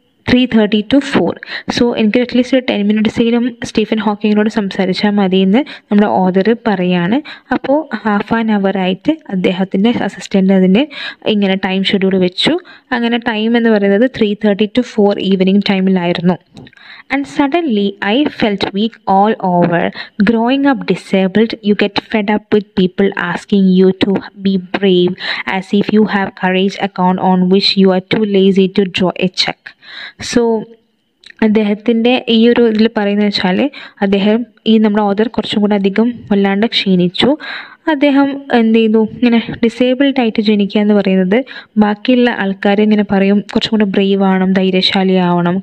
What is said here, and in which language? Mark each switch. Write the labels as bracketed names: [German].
[Malayalam] 3:30 to 4. So എനിക്ക് at least ഒരു 10 മിനിറ്റ്സെങ്കിലും Stephen ഹോക്കിങ്ങിനോട് സംസാരിച്ചാൽ മതിയെന്ന് നമ്മുടെ ഓദർ പറയുകയാണ്. അപ്പോൾ ഹാഫ് ആൻ അവർ ആയിട്ട് അദ്ദേഹത്തിൻ്റെ അസിസ്റ്റൻ്റ് അതിന് ഇങ്ങനെ ടൈം ഷെഡ്യൂൾ വെച്ചു. അങ്ങനെ ടൈം എന്ന് പറയുന്നത് 3:30 to 4 evening ടൈമിലായിരുന്നു. [English] And suddenly I felt weak all over. Growing up disabled, you get fed up with people asking you to be brave as if you have courage account on which you are too lazy to draw a check. [Malayalam] So അദ്ദേഹത്തിൻ്റെ ഈ ഒരു ഇതിൽ പറയുന്ന വെച്ചാൽ അദ്ദേഹം ഈ നമ്മുടെ author കുറച്ചും കൂടെ അധികം വല്ലാണ്ട് ക്ഷീണിച്ചു. അദ്ദേഹം എന്ത് ചെയ്തു, ഇങ്ങനെ ഡിസേബിൾഡ് ആയിട്ട് ജനിക്കുക എന്ന് പറയുന്നത് ബാക്കിയുള്ള ആൾക്കാർ ഇങ്ങനെ പറയും കുറച്ചും കൂടെ ബ്രേവ് ആവണം, ധൈര്യശാലി ആവണം.